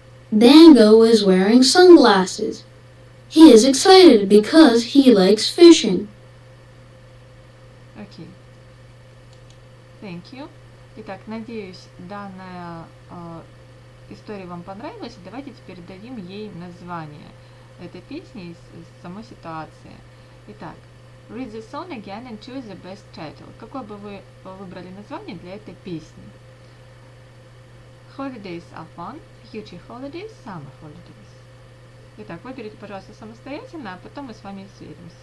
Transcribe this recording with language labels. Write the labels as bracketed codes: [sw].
[en] Dango is wearing sunglasses. He is excited because he likes fishing. Okay. Thank you. [ru] Итак, надеюсь, данная история вам понравилась. Давайте теперь дадим ей название этой песни и самой ситуации. Итак. [en] Read the song again and choose the best title. [ru] Какое бы вы выбрали название для этой песни? [en] Holidays are fun, future holidays, summer holidays. [ru] Итак, выберите, пожалуйста, самостоятельно, а потом мы с вами сверимся.